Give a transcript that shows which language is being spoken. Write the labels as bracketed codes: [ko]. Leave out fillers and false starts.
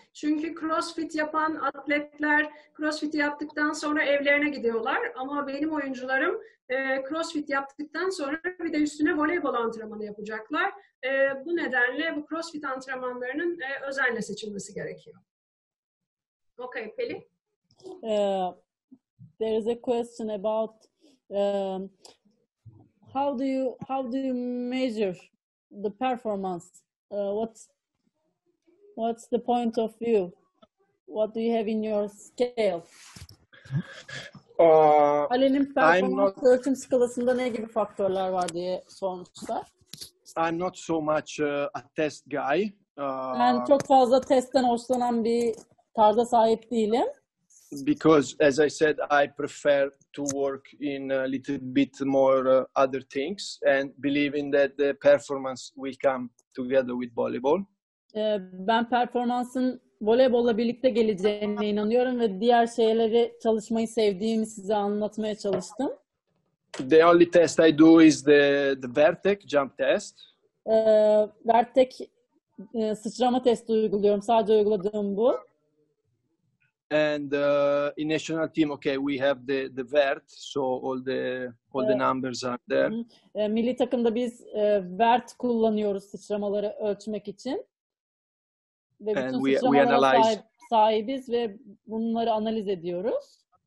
[tr] Çünkü crossfit yapan atletler crossfit yaptıktan sonra evlerine gidiyorlar. Ama benim oyuncularım crossfit yaptıktan sonra bir de üstüne voleybol antrenmanı yapacaklar. Bu nedenle bu crossfit antrenmanlarının özenle seçilmesi gerekiyor. [en] Okay, Pelin? There is a question about how do you measure the performance? What's the point of view? What do you have in your scale? [tr] Ali'nin performans ölçüm skalasında ne gibi faktörler var diye sormuşlar. [en] I'm not so much a test guy. [tr] Ben çok fazla testten hoşlanan bir tarza sahip değilim. [en] Because, as I said, I prefer to work in a little bit more other things and believing that the performance will come together with volleyball. [tr] Ben performansın voleybolla birlikte geleceğine inanıyorum ve diğer şeyleri çalışmayı sevdiğimi size anlatmaya çalıştım. [en] The only test I do is the vertec jump test. [tr] Vertec sıçrama testi uyguluyorum. Sadece uyguladığım bu. [en] And in national team, okay, we have the vert, so all the numbers are there. [tr] Milli takımda biz vert kullanıyoruz sıçramaları ölçmek için. Ve bütün sıçramalara sahibiz ve bunları analiz ediyoruz.